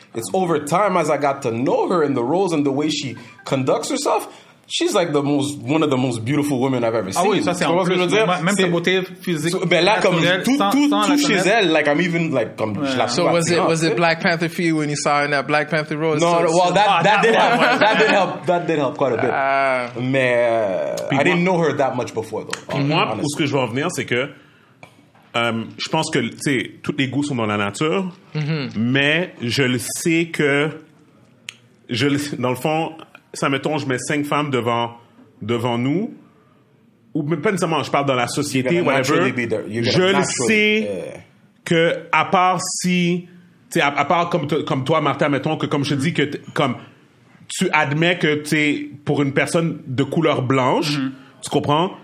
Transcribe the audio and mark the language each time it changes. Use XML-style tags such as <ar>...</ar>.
<en>It's over time as I got to know her and the roles and the way she conducts herself, she's like one of the most beautiful women I've ever seen.</en> <fr>Ah oui, ça c'est en plus, je veux dire, même sa beauté physique. Ben là, comme tout chez elle, like I'm even like, comme je la</fr> <en>souviens. So was it Black Panther for you when you saw her in that Black Panther role? No, well that did help quite a bit. Mais I didn't know her that much before though.</en> <fr>Puis moi, où ce que je veux en venir, c'est que je pense que, tu sais, tous les goûts sont dans la nature, mais je le sais que, dans le fond, ça, mettons, je mets 5 femmes devant nous, ou pas nécessairement, je parle dans la société, whatever, je le sais que, à part si, tu sais, à part comme toi, Martha, mettons, que comme je te dis, que comme tu admets que, tu sais, pour une personne de couleur blanche, tu comprends?</fr>